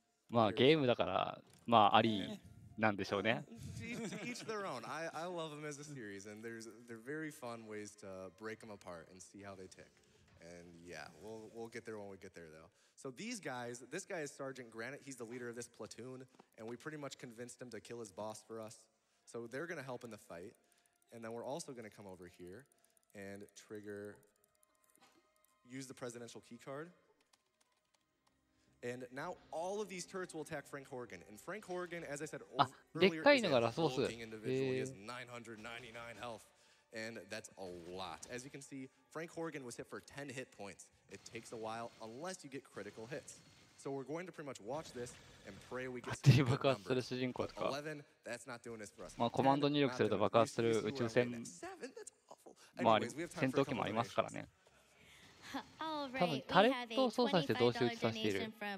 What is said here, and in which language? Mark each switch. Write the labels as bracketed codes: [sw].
[ja] まあゲームだから、まあありなんでしょうね。 [en] Each their own. I love them as a series and they're very fun ways to break them apart and see how they tick. And yeah, we'll get there when we get there though. So these guys, this guy is Sergeant Granite. He's the leader of this platoon. And we pretty much convinced him to kill his boss for us. So they're going to help in the fight. And then we're also going to come over here and use the presidential key card. And now all of these turrets will attack Frank Horrigan. And Frank Horrigan, as I said earlier, is a full-king individual. He has 999 health. And that's a lot. As you can see, Frank Horrigan was hit for 10 hit points. It takes a while unless you get critical hits. So we're going to pretty much watch this and pray we get some good numbers. 11, that's not doing this for us. [ja] まあコマンド入力すると爆発する宇宙船もあり、戦闘機もありますからね。多分タレットを操作して同士打ちさせている。